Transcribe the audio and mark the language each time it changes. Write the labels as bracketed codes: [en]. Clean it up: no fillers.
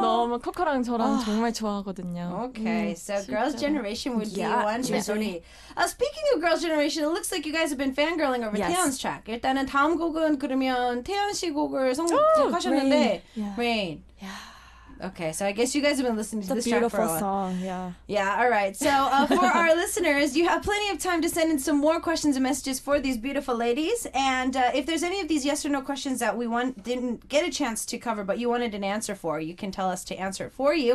[ko] 너무 코코랑 저랑 정말 좋아하거든요. [en] Okay, so 진짜. Girls' Generation would be one Joseori. Speaking of Girls' Generation, it looks like you guys have been fangirling over Taeyeon's track. [ko] 일단은 다음 곡은 그러면 태연 씨 곡을 선곡하셨는데 Rain. [en] Okay, so I guess you guys have been listening to this track for a while. It's a beautiful song, yeah. Yeah, all right. So for our listeners, you have plenty of time to send in some more questions and messages for these beautiful ladies. And if there's any of these yes or no questions that we didn't get a chance to cover but you wanted an answer for, you can tell us to answer it for you.